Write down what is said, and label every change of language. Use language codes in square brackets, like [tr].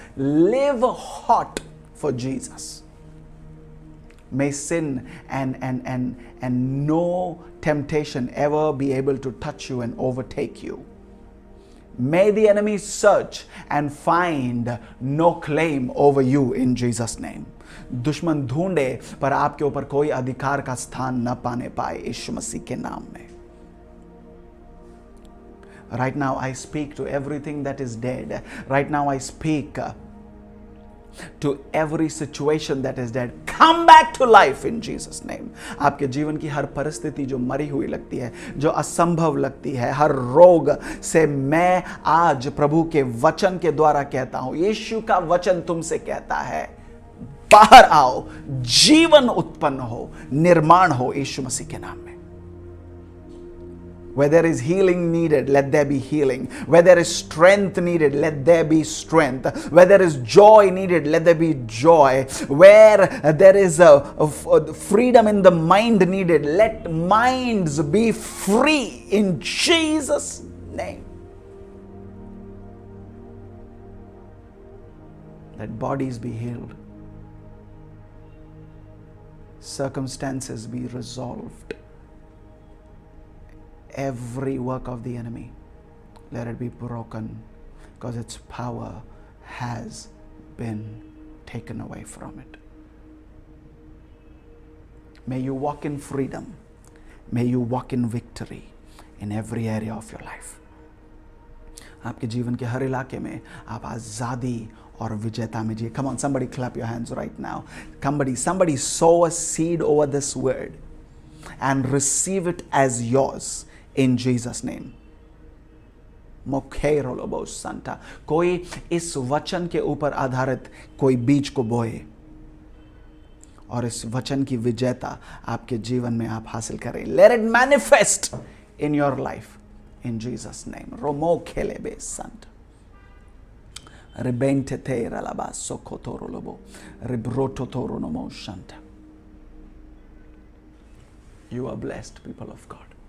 [en] Live hot for Jesus. May sin and no temptation ever be able to touch you and overtake you. May the enemy search and find no claim over you in Jesus' name. [hi] दुश्मन ढूंढे पर आपके ऊपर कोई अधिकार का स्थान न पाने पाए यीशु मसीह के नाम में. [en] Right now I speak to everything that is dead. Right now I speak to every situation that is dead. Come back to life in Jesus' name. [hi] आपके जीवन की हर परिस्थिति जो मरी हुई लगती है, जो असंभव लगती है, हर रोग से मैं आज प्रभु के वचन के द्वारा कहता हूं, यीशु का वचन तुमसे कहता है, बाहर आओ, जीवन उत्पन्न हो, निर्माण हो यीशु मसीह के नाम में. [en] Where there is healing needed, let there be healing. Where there is strength needed, let there be strength. Where there is joy needed, let there be joy. Where there is a freedom in the mind needed, let minds be free in Jesus' name. Let bodies be healed. Circumstances be resolved. Every work of the enemy, let it be broken, because its power has been taken away from it. May you walk in freedom. May you walk in victory in every area of your life. [hi] आपके जीवन के हर इलाके में आप आजादी और विजेता में जिए. [en] Come on, somebody clap your hands right now. Somebody sow a seed over this word and receive it as yours in Jesus' name. Mokhei rolobos santa. [hi] कोई इस वचन के ऊपर आधारित कोई बीज को बोए और इस वचन की विजेता आपके जीवन में आप हासिल करें. [en] Let it manifest in your life in Jesus' name. Romo khelebe santa. Rebente te ralaba sokotoro lobo. Rebroto toro nomo shanta. You are blessed, people of God.